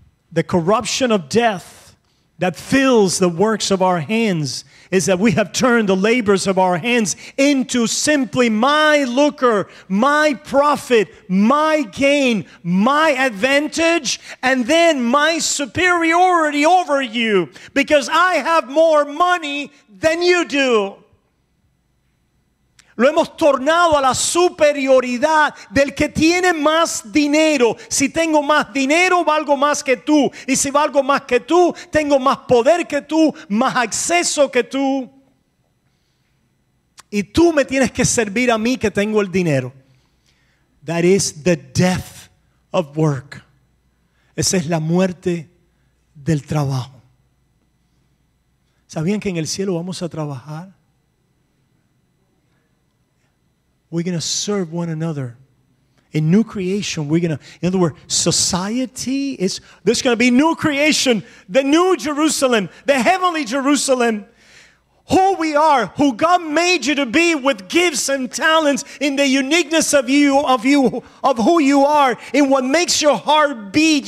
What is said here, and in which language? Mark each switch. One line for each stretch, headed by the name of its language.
English: The corruption of death that fills the works of our hands is that we have turned the labors of our hands into simply my lucre, my profit, my gain, my advantage, and then my superiority over you because I have more money than you do.
Spanish: Lo hemos tornado a la superioridad del que tiene más dinero. Si tengo más dinero, valgo más que tú. Y si valgo más que tú, tengo más poder que tú, más acceso que tú. Y tú me tienes que servir a mí que tengo el dinero.
English: That is the death of work.
Spanish: Esa es la muerte del trabajo. ¿Sabían que en el cielo vamos a trabajar?
English: We're going to serve one another. In new creation, we're going to, in other words, society is, there's going to be new creation, the new Jerusalem, the heavenly Jerusalem. Who we are, who God made you to be with gifts and talents in the uniqueness of who you are, in what makes your heart beat.